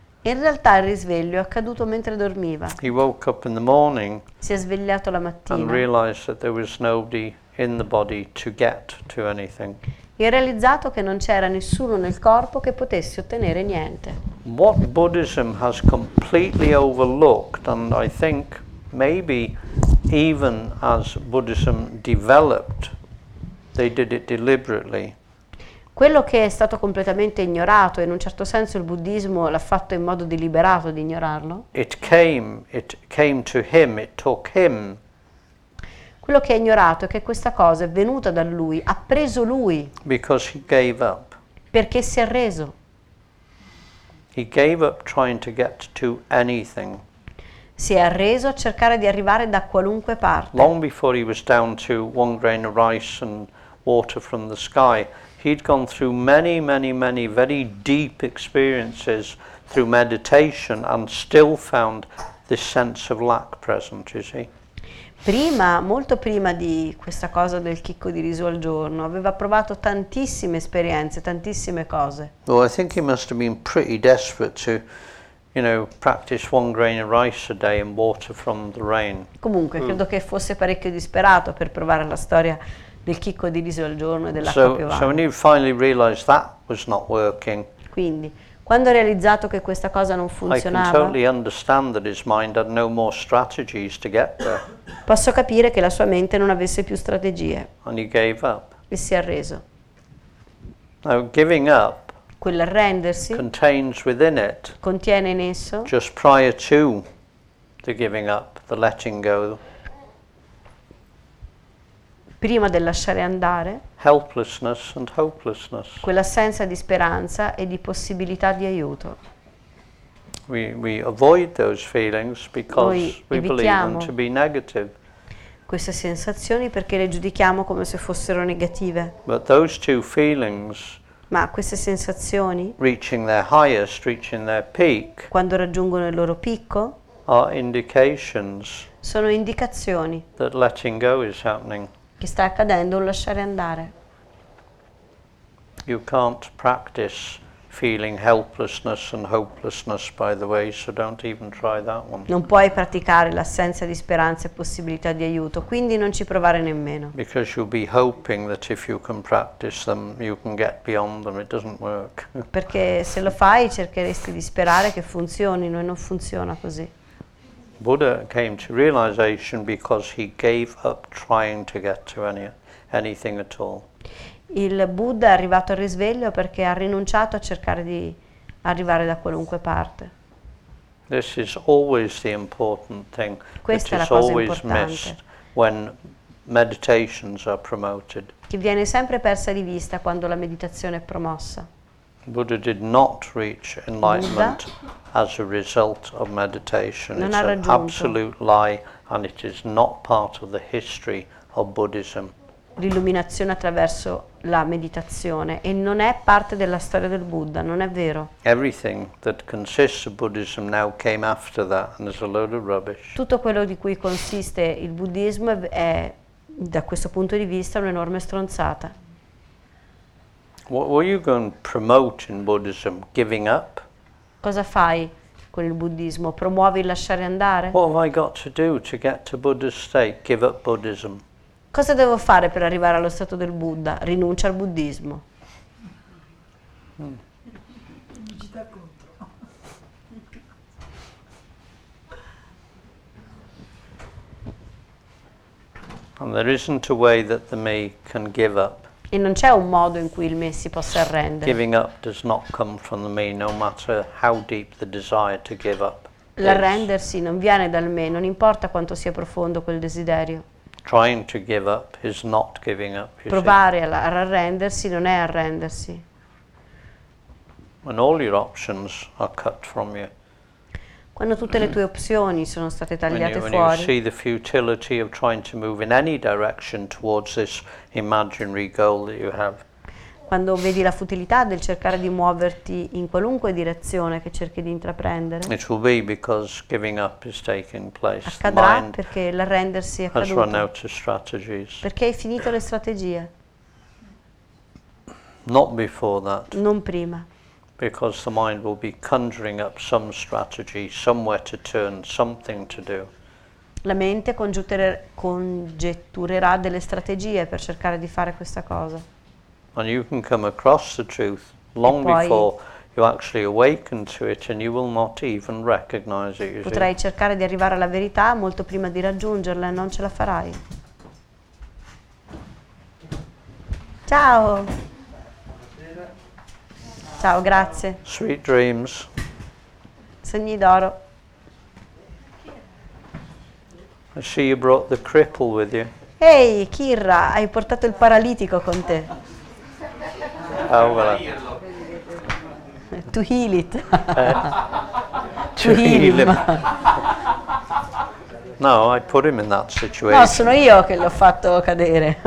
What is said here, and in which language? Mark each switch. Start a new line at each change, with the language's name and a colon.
Italian: In realtà il risveglio è accaduto mentre dormiva.
English: He woke up in the morning.
Italian: Si è svegliato la mattina.
English: And realized that there was nobody in the body to get to anything.
Italian: E realizzato che non c'era nessuno nel corpo che potesse ottenere niente.
English: What Buddhism has completely overlooked, and I think maybe even as Buddhism developed, they did it deliberately.
Italian: Quello che è stato completamente ignorato, e in un certo senso il buddismo l'ha fatto in modo deliberato di ignorarlo.
English: It came to him, it took him.
Italian: Quello che è ignorato è che questa cosa è venuta da lui, ha preso lui.
English: Because he gave up.
Italian: Perché si è reso.
English: He gave up trying to get to anything.
Italian: Si è arreso a cercare di arrivare da qualunque parte.
English: Long before he was down to one grain of rice and water from the sky, he'd gone through many, many, many very deep experiences through meditation and still found this sense of lack present, you see.
Italian: Prima, molto prima di questa cosa del chicco di riso al giorno, aveva provato tantissime esperienze, tantissime cose.
English: Well, I think he must have been pretty desperate to, you know, practice one grain of rice a day and water from the rain.
Italian: Comunque, credo che fosse parecchio disperato per provare la storia del chicco di riso al giorno e dell'acqua piovana.
English: So when he finally realized that was not working.
Italian: Quindi, quando ha realizzato che questa cosa non funzionava,
English: I can totally understand that his mind had no more strategies to get there.
Italian: Posso capire che la sua mente non avesse più strategie.
English: And he gave up.
Italian: E si è arreso.
English: Now, giving up,
Italian: quell'arrendersi,
English: contains within it,
Italian: contiene in esso,
English: just prior to the giving up, the letting go,
Italian: prima del lasciare andare,
English: helplessness and hopelessness,
Italian: quell'assenza di speranza e di possibilità di aiuto.
English: We avoid those feelings because we believe them to be negative.
Italian: Queste sensazioni perché le giudichiamo come se fossero negative.
English: But those two feelings,
Italian: ma queste sensazioni,
English: reaching their highest, reaching their peak,
Italian: quando raggiungono il loro picco,
English: are indications,
Italian: sono indicazioni,
English: that letting go is happening.
Italian: Che sta accadendo un lasciare andare.
English: You can't practice feeling helplessness and hopelessness, by the way, so don't even try that one.
Italian: Non puoi praticare l'assenza di speranza e possibilità di aiuto, quindi non ci provare nemmeno.
English: Because you'll be hoping that if you can practice them, you can get beyond them. It doesn't work.
Italian: Perché se lo fai, cercheresti di sperare che funzionino e non funziona così.
English: Buddha came to realization because he gave up trying to get to anything at all.
Italian: Il Buddha è arrivato al risveglio perché ha rinunciato a cercare di arrivare da qualunque parte.
English: This is always the important thing.
Italian: Questa è la cosa
English: always
Italian: importante.
English: Missed when meditations are promoted.
Italian: Che viene sempre persa di vista quando la meditazione è promossa.
English: Buddha did not reach enlightenment as a result of meditation.
Italian: Non
English: it's an
Italian: raggiunto.
English: Absolute lie, and it is not part of the history of Buddhism.
Italian: L'illuminazione attraverso la meditazione e non è parte della storia del Buddha, non è vero.
English: Everything that consists of Buddhism now came after that, and there's a load of rubbish.
Italian: Tutto quello di cui consiste il buddismo è, da questo punto di vista, un'enorme stronzata.
English: What were you going to promote in Buddhism? Giving up?
Italian: Cosa fai con il buddismo? Promuovi il lasciare andare?
English: What have I got to do to get to Buddha's state? Give up Buddhism.
Italian: Cosa devo fare per arrivare allo stato del Buddha? Rinuncia al buddismo. Vigita contro.
English: And there isn't a way that the me can give up.
Italian: E non c'è un modo in cui il me si possa arrendere.
English: Giving up does not come from the me, no matter how deep the desire to give up.
Italian: L'arrendersi non viene dal me, non importa quanto sia profondo quel desiderio.
English: Trying to give up is not giving up.
Italian: Provare ad arrendersi non è arrendersi.
English: When all your options are cut from you.
Italian: Quando tutte le tue opzioni sono state tagliate
English: when you,
Italian: fuori.
English: When you see the futility of trying to move in any direction towards this imaginary goal that you have.
Italian: Quando vedi la futilità del cercare di muoverti in qualunque direzione che cerchi di intraprendere.
English: It will be because giving up is taking place.
Italian: Accadrà perché l'arrendersi è caduto.
English: Has run out of strategies.
Italian: Perché hai finito le strategie.
English: Not before that.
Italian: Non prima.
English: Because the mind will be conjuring up some strategy, somewhere to turn, something to do.
Italian: La mente congetturerà delle strategie per cercare di fare questa cosa.
English: And you can come across the truth long before you actually awaken to it, and you will not even recognize it.
Italian: Potrai cercare di arrivare alla verità molto prima di raggiungerla e non ce la farai. Ciao. Ciao, grazie.
English: Sweet dreams.
Italian: Sogni d'oro.
English: I see you brought the cripple with you.
Italian: Ehi, hey, Kirra, hai portato il paralitico con te.
English: Oh, well. To heal it. To heal him. No, I put him in that situation.
Italian: No, sono io che l'ho fatto cadere.